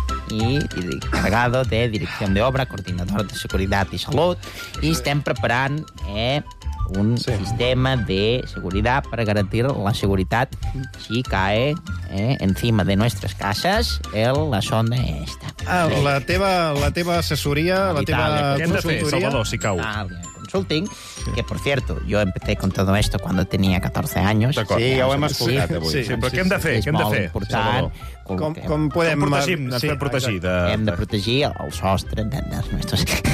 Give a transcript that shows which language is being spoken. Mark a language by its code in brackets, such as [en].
[ca] I dic, [es] cargado de [ca] direcció d'obra, coordinador de seguretat i salut, i estem preparant un sistema de seguretat per garantir la seguretat [es] si cae encima [ca] de nostres cases [es] la sonda esta. [ca] La teva assessoria, la teva consultoria... Salvador, si cau. [es] Consulting, que, por cierto, yo empecé con todo esto cuando tenía 14 años. [ca] D'acord. Sí, ja ho hem escoltat avui. Sí, però què hem de fer? És molt important. Com podem... Hem de protegir el sostre dels nostres...